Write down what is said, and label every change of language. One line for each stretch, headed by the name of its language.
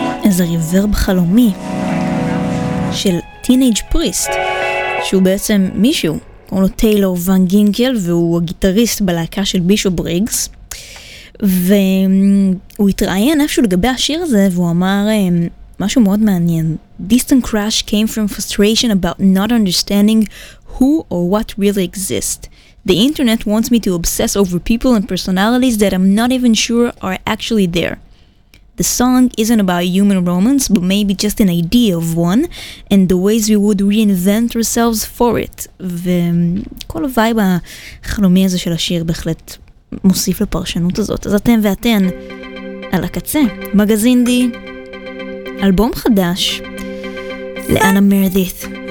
Hebrew: זה ריברב חלומי של טינאג' פריסט, שהוא בעצם מישהו, קוראו לו טיילור ון גינקל, והוא הגיטריסט בלהקה של בישופ בריגס, והוא התראיין איפשהו לגבי השיר הזה, והוא אמר משהו מאוד מעניין.
English: Distant crash came from frustration about not understanding who or what really exists. The internet wants me to obsess over people and personalities that I'm not even sure are actually there. The song isn't about human romance, but maybe just an idea of one, and the ways we would reinvent ourselves for it.
Hebrew: וכל הווייב החלומי הזה של השיר בהחלט מוסיף לפרשנות הזאת. אז אתם ואתן על הקצה. מגזין די, אלבום חדש לאנה מרדית.